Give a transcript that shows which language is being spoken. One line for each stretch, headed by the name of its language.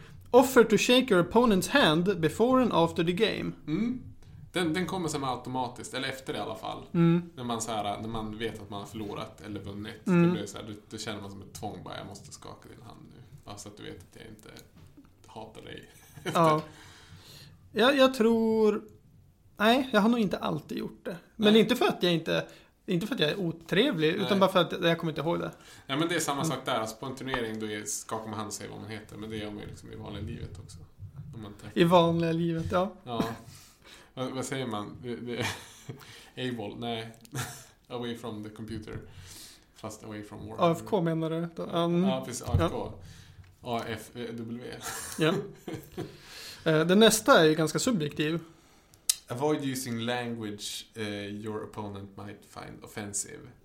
English: Offer to shake your opponent's hand before and after the game. Mm.
Swedish: Den kommer som automatiskt, eller efter det i alla fall. Mm. När man så här, när man vet att man har förlorat eller vunnit. Mm. Då känner man som ett tvång, bara jag måste skaka din hand nu. Bara så att du vet att jag inte hatar dig. Ja. Jag tror, nej, jag har nog inte alltid gjort det. Men nej. inte för att jag är otrevlig, nej. Utan bara för att jag kommer inte ihåg det. Ja, men det är samma sak där. Alltså, på en turnering då skakar man hand och säger vad man heter. Men det gör man ju liksom i vanliga livet också. Om man tänker. I vanliga livet, ja. Ja. Vad säger man? Able? Nej.
English: Away from the computer. Fast away from work.
Swedish: AFK menar du? Ja, precis. AFK. Ja. AFW. Ja. Det nästa är ju ganska subjektiv.
English: Avoid using language your opponent might find offensive.